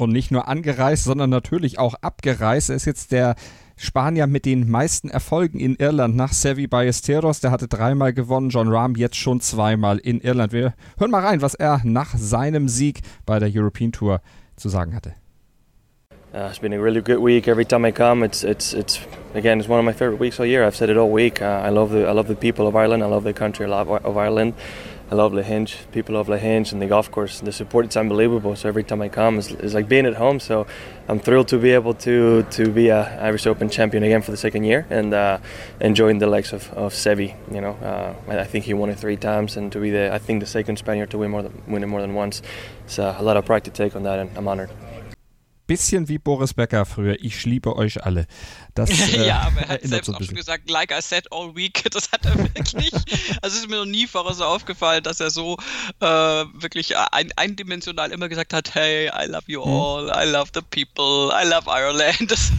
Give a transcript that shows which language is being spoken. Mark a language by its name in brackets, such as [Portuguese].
[German] Und nicht nur angereist, sondern natürlich auch abgereist. Er ist jetzt der Spanier mit den meisten Erfolgen in Irland nach Savi Ballesteros. Der hatte dreimal gewonnen, Jon Rahm jetzt schon zweimal in Irland. Wir hören mal rein, was er nach seinem Sieg bei der European Tour zu sagen hatte. [English] It's been a really good week. Every time I come, it's one of my favorite weeks all year. I've said it all week. I love the people of Ireland. I love the country of Ireland. I love La Hinch, people of La Hinch and the golf course. The support is unbelievable. So every time I come, it's like being at home. So I'm thrilled to be able to be a Irish Open champion again for the second year and enjoying the likes of Seve. You know, I think he won it three times, and to be the second Spaniard to win it more than once. So a lot of pride to take on that, and I'm honored. [German] Bisschen wie Boris Becker früher, ich liebe euch alle. Das, ja, aber er hat selbst auch schon gesagt, [English] like I said all week, [German] das hat er wirklich, also ist mir noch nie vorher so aufgefallen, dass er so wirklich eindimensional immer gesagt hat, [English] hey, I love you all, I love the people, I love Ireland.